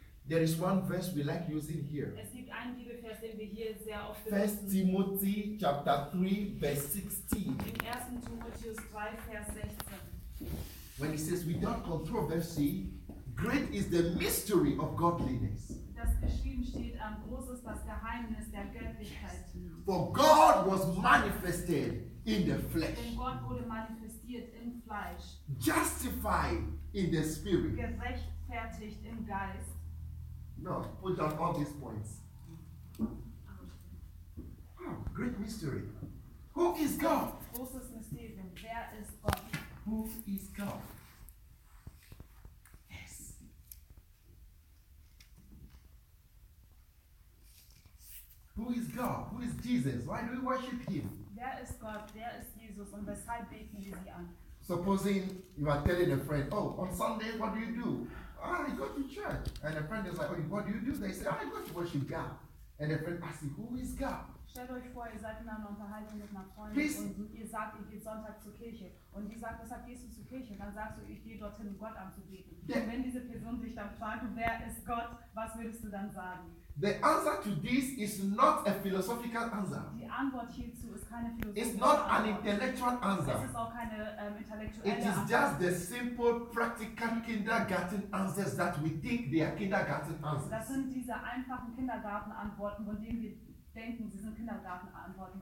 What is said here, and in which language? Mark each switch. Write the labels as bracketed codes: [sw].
[en] There is one verse we like using here. [de] Es gibt einen Bibelvers, den wir hier sehr oft benutzen. [en] 1 Timothy chapter 3, verse 16. [de] In 1. Timotheus 3, Vers 16. [en] When he says, without controversy, great is the mystery of godliness. [de] Das geschrieben steht, groß ist das Geheimnis der Göttlichkeit. [en] For God was manifested in the flesh. [de] Denn Gott wurde manifestiert im Fleisch. [en] Justified in the spirit. [de] Gerechtfertigt im Geist. [en] No, put down all these points. Wow, great mystery. Who is God? [de] Großes Mysterium. Wer ist Gott? [en] Who is God? Yes. Who is God? Who is Jesus? Why do we worship him? [de] Wer ist Gott? Wer ist Jesus? Und weshalb beten wir sie an? [en] Supposing you are telling a friend, oh, on Sunday, what do you do? I go to church. And a friend is like, oh, what do you do? They say, I go to worship God. And a friend asks him, who is God? [de] Stellt euch vor, ihr seid in einer Unterhaltung mit einer Freundin und ihr sagt, ihr geht Sonntag zur Kirche. Und die sagt, weshalb gehst du zur Kirche? Dann sagst du, ich gehe dorthin, um Gott anzubeten. Und wenn diese Person dich dann fragt, wer ist Gott, was würdest du dann sagen? [en] The answer to this is not a philosophical answer. [de] Die Antwort hierzu ist keine philosophische. [en] It's not an intellectual answer. [de] Es ist auch keine intellektuelle Antwort. [en] It is just the simple, practical kindergarten answers that we think they are kindergarten answers. [de] Das sind diese einfachen Kindergartenantworten, von denen wir denken, sie sind Kindergartenantworten.